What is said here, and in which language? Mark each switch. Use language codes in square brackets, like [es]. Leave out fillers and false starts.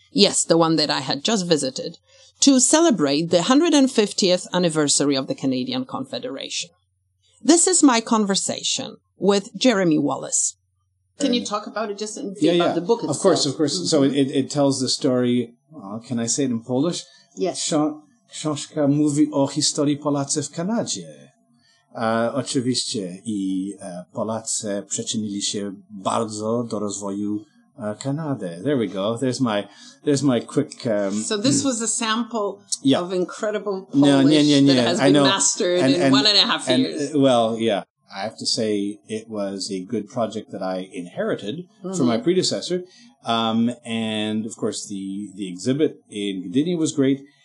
[en] Yes, the one that I had just visited, to celebrate the 150th anniversary of the Canadian Confederation. This is my conversation with Jeremy Wallace. Can you talk about it just in view about the book itself? Of course, of course. Mm-hmm. So it tells the story, can I say it in Polish? Yes. [pl] Książka mówi o historii Polacy w Kanadzie. Oczywiście. I Polacy przyczynili się bardzo do rozwoju Canada. [en] There we go. There's my quick. So this was a sample of incredible Polish that has been mastered in 1.5 years. And, well, yeah, I have to say it was a good project that I inherited from my predecessor. And of course, the exhibit in Gdyni was great.